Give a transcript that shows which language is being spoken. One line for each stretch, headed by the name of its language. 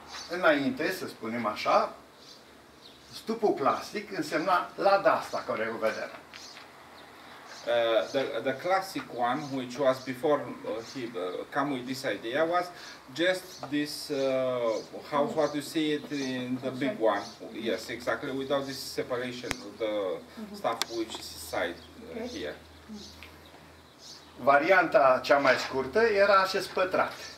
Romanian: Înainte, să spunem așa, stupul clasic însemna lada asta care o vedem.
English: The classic one, which was before he came with this idea, was just this house, what you see it in the big one. Yes, exactly, without this separation of the stuff which is inside here.
Romanian: Varianta cea mai scurtă era acest pătrat.